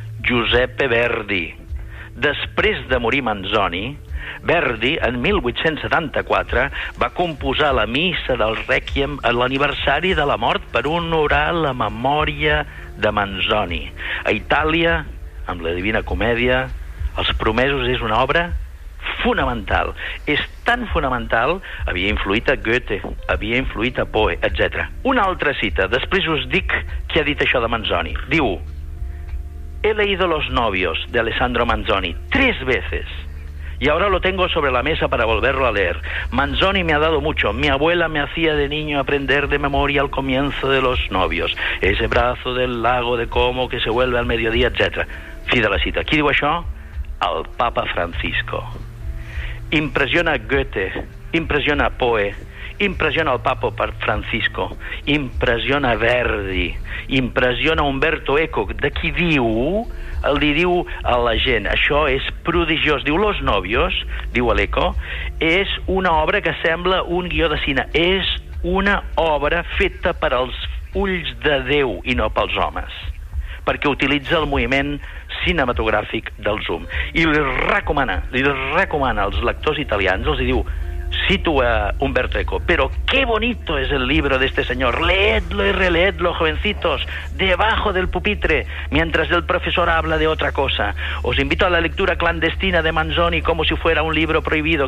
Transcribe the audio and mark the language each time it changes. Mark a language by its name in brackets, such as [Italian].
[Catalan] Giuseppe Verdi. Després de morir Manzoni, Verdi, en 1874, va composar la missa del Rèquiem en l'aniversari de la mort per honorar la memòria de Manzoni. A Itàlia, amb la Divina Comèdia, Els promesos és una obra fonamental. És tan fonamental, havia influït a Goethe, havia influït a Poe, etc. Una altra cita, després us dic qui ha dit això de Manzoni. Diu... [Spanish] He leído Los novios de Alessandro Manzoni 3 veces y ahora lo tengo sobre la mesa para volverlo a leer. Manzoni me ha dado mucho. Mi abuela me hacía de niño aprender de memoria el comienzo de Los novios, ese brazo del lago de Como que se vuelve al mediodía, etc. [Catalan] Fi de la cita. ¿Qui diu això? Al Papa Francisco. Impressiona Goethe, impressiona Poe, impressiona el Papa per Francisco, impressiona Verdi, impressiona Umberto Eco, de qui diu, el diu a la gent, això és prodigiós. Diu Los novios, diu a l'Eco, és una obra que sembla un guió de cine, és una obra feta per als ulls de Déu i no pels homes, perquè utilitza el moviment cinematogràfic del zoom. I li recomana als lectors italians, els diu... [Spanish] Cito a Umberto Eco, pero qué bonito es el libro de este señor. Leedlo y releedlo, jovencitos, debajo del pupitre, mientras el profesor habla de otra cosa. Os invito a la lectura clandestina de Manzoni como si fuera un libro prohibido.